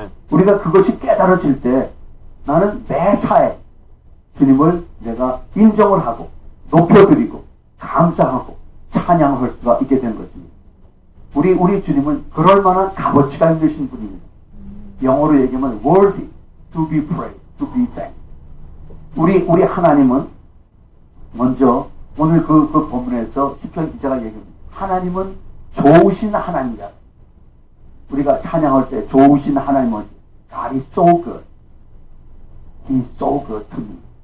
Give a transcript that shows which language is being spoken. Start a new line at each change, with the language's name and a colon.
Korean: 우리가 그것이 깨달아질 때 나는 매사에 주님을 내가 인정을 하고 높여드리고 감사하고 찬양할 수가 있게 되는 것입니다. 우리 주님은 그럴만한 값어치가 있으신 분입니다. 영어로 얘기하면
English: worthy to be praised, to be thanked.
Korean: 우리 하나님은 먼저 오늘 그 본문에서 시편 기자가 얘기합니다. 하나님은 좋으신 하나님이다. 우리가 찬양할 때 좋으신 하나님은
English: God is so good. He's so good to me.